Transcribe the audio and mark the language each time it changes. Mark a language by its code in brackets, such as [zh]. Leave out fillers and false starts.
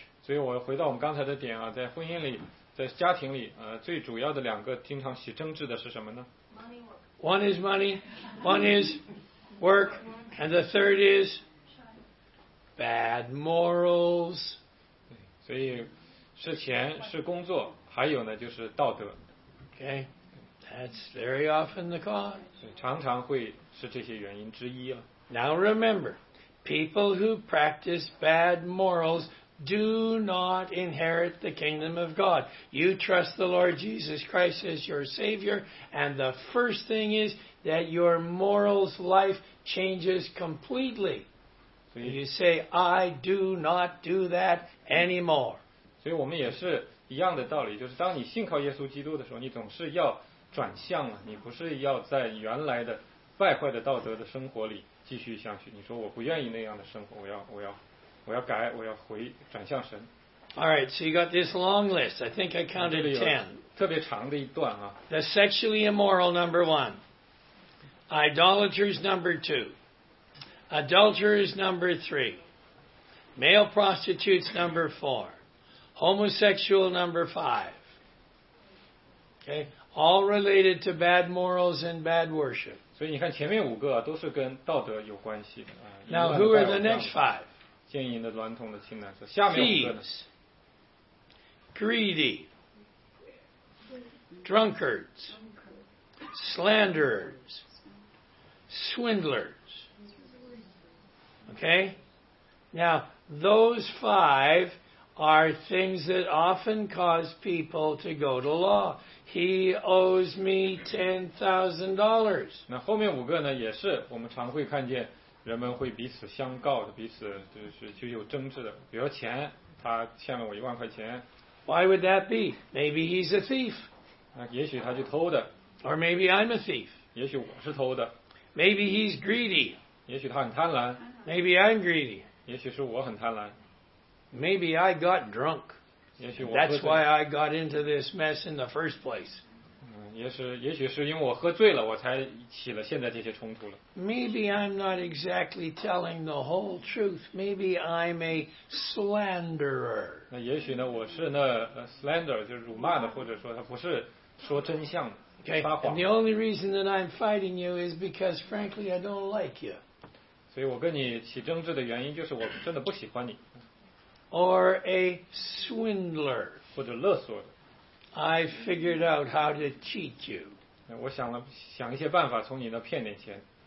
[zh] 所以我回到我们刚才的点啊，在婚姻里，在家庭里，最主要的两个经常起争执的是什么呢？ [en] One is money, one is work, and the third is... Bad morals. [zh] 所以是钱，是工作，还有呢就是道德。 [en] Okay, that's very often the cause. [zh] 常常会是这些原因之一啊。 [en] Now remember, people who practice bad morals do not inherit the kingdom of God. You trust the Lord Jesus Christ as your Savior, and the first thing is that your morals life changes completely. You say, I do not do that anymore. [zh] 所以我们也是一样的道理，就是当你信靠耶稣基督的时候，你总是要转向了，你不是要在原来的败坏的道德的生活里继续下去，你说我不愿意那样的生活，我要改，我要回转向神。 [en] Alright, so you got this long list. I think I counted 10. [zh] 特别长的一段啊。 [en] The sexually immoral, number one. Idolaters, number two. Adulterers, number three. Male prostitutes, number four. Homosexual, number five. Okay, all related to bad morals and bad worship. [zh] 所以你看前面五个啊，都是跟道德有关系的啊。 Now, who are the next five? 奸淫的、娈童的、情男色，下面五个呢 [en] ？Greedy, drunkards, slanderers, swindlers. Okay. Now those five are things that often cause people to go to law. He owes me $10,000. [zh] 那后面五个呢？也是我们常会看见。人们会彼此相告的，彼此就是就有争执的。比如钱，他欠了我10,000块钱。 [en] Why would that be? Maybe he's a thief. [zh] 啊，也许他去偷的。 [en] Or maybe I'm a thief. [zh] 也许我是偷的。 [en] Maybe he's greedy. [zh] 也许他很贪婪。 [en] Maybe I'm greedy. [zh] 也许是我很贪婪。 [en] Maybe I got drunk. [zh] 也许我 [en] That's why I got into this mess in the first place. [zh] 也许是因为我喝醉了，我才起了现在这些冲突了。 [en] Maybe I'm not exactly telling the whole truth. Maybe I'm a slanderer. [zh] 那也许呢，我是那slander， 就是辱骂的，或者说他不是说真相的， [en] okay. [zh] 撒谎。 [en] And the only reason that I'm fighting you is because, frankly, I don't like you. [zh] 所以我跟你起争执的原因就是我真的不喜欢你。 [en] Or a swindler. [zh] 或者勒索的。 [en] I figured out how to cheat you. [zh] 我想一些办法从你那骗点钱。